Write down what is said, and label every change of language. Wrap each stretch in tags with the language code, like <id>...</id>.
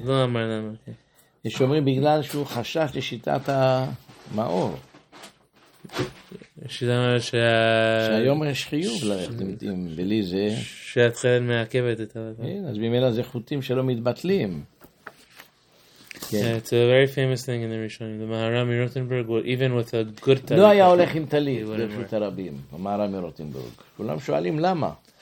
<he>לא אמר למה, כן. יש אומרים בגלל שהוא חשש לשיטת המאור. שהיום יש חיוב לרחתים, בלי זה שהתחלת מעכבת את הלכה. אז במילה זה חוטים שלא מתבטלים.</he> <en>It's a very famous thing in the Rishonim. The Maharam מרוטנברג,</en> <he>even with a good talit, לא היה הולך עם טלית ברשות הרבים. המהר"ם מרוטנברג, כולם שואלים למה.</he>